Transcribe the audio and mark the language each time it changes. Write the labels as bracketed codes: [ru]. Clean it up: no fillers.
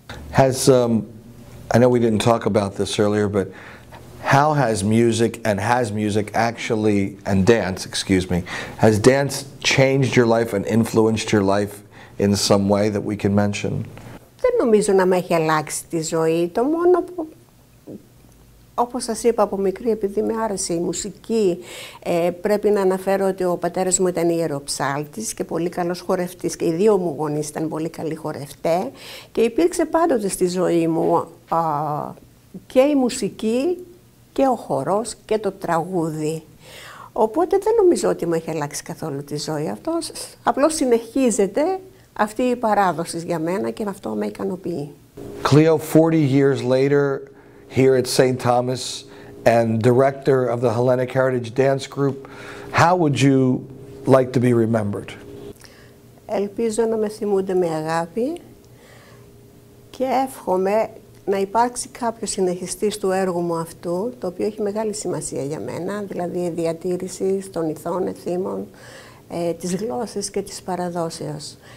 [en] Has, I know we didn't talk about this earlier, but how has music and has dance changed your life and influenced your life in some way that we can mention? [el] Δεν νομίζω να με έχει αλλάξει τη ζωή. Το μόνο που, όπως σας είπα από μικρή, επειδή με άρεσε η μουσική, πρέπει να αναφέρω ότι ο πατέρας μου ήταν ιεροψάλτης και πολύ καλός χορευτής, και οι δύο μου γονείς ήταν πολύ καλοί χορευτές, και υπήρξε πάντοτε στη ζωή μου και η μουσική και ο χορός και το τραγούδι. Οπότε δεν νομίζω ότι μου έχει αλλάξει καθόλου τη ζωή αυτό. Απλώς συνεχίζεται αυτή η παράδοση για μένα και αυτό με ικανοποιεί. [en] Cleo, 40 years later, here at St. Thomas and director of the Hellenic Heritage Dance Group, how would you like to be remembered? [el] Ελπίζω να με θυμούνται με αγάπη και εύχομαι να υπάρξει κάποιος συνεχιστής του έργου μου αυτού, το οποίο έχει μεγάλη σημασία για μένα, δηλαδή η διατήρηση των ηθών, εθήμων, της γλώσσας και της παραδόσεως.